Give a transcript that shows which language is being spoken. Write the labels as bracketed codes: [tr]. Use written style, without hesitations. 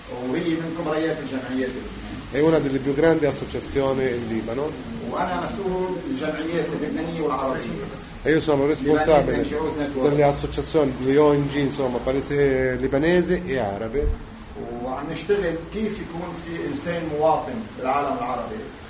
[ar] وهي من كبار الجمعيات اللبنانية. [it] È una delle più grandi associazioni in Libano. [ar] وأنا مسؤول الجمعيات اللبنانية والعربية. [it] Io sono responsabile delle associazioni di ONG, insomma, libanese e arabe. [ar] وعم نشتغل كيف يكون في إنسان مواطن بالعالم العربي.